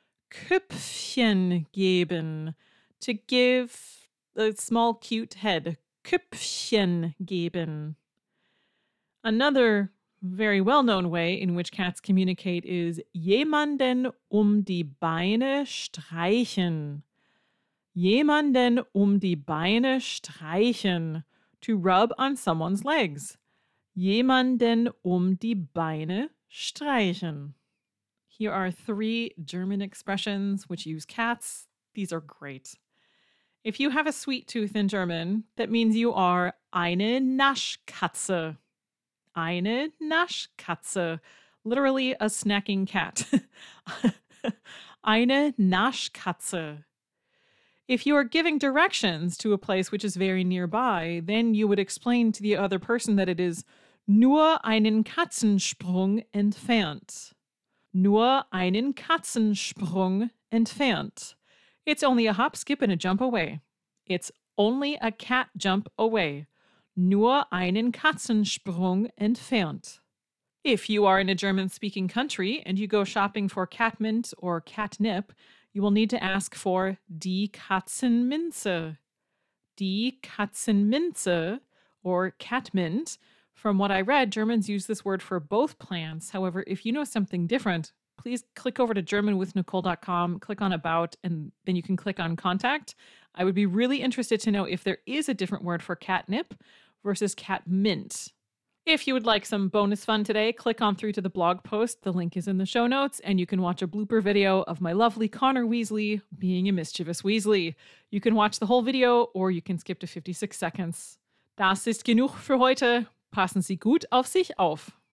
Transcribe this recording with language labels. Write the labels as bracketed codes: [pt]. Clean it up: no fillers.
[de] Köpfchen geben. [en] To give a small cute head. [de] Köpfchen geben. [en] Another very well-known way in which cats communicate is [de] jemanden die Beine streichen. Jemanden die Beine streichen. [en] To rub on someone's legs. [de] Jemanden die Beine streichen. [en] Here are three German expressions which use cats. These are great. If you have a sweet tooth in German, that means you are eine Naschkatze. Eine Naschkatze. Literally a snacking cat. Eine Naschkatze. If you are giving directions to a place which is very nearby, then you would explain to the other person that it is [de] nur einen Katzensprung entfernt. Nur einen Katzensprung entfernt. [en] It's only a hop, skip, and a jump away. It's only a cat jump away. [de] Nur einen Katzensprung entfernt. [en] If you are in a German-speaking country and you go shopping for catmint or catnip, you will need to ask for die Katzenminze. [de] Die Katzenminze, or catmint. [en] From what I read, Germans use this word for both plants. However, if you know something different, please click over to germanwithnicole.com, click on About, and then you can click on Contact. I would be really interested to know if there is a different word for catnip versus catmint. If you would like some bonus fun today, click on through to the blog post. The link is in the show notes, and you can watch a blooper video of my lovely Connor Weasley being a mischievous Weasley. You can watch the whole video, or you can skip to 56 seconds. [de] Das ist genug für heute. Passen Sie gut auf sich auf.